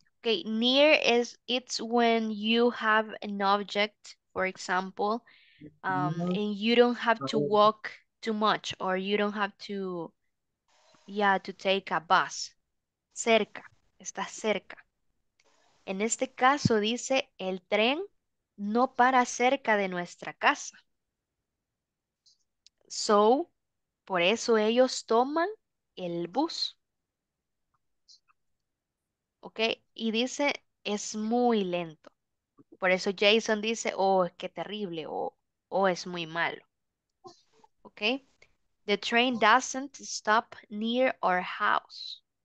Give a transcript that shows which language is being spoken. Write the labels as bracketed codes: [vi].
[en] Okay, near is it's when you have an object, for example, No. and you don't have to No. walk too much, or you don't have to, to take a bus. [es] Cerca, está cerca. En este caso dice el tren no para cerca de nuestra casa. So, por eso ellos toman el bus. Ok, y dice, es muy lento. Por eso Jason dice, oh, qué terrible, o es muy malo. [en] Ok, the train doesn't stop near our house.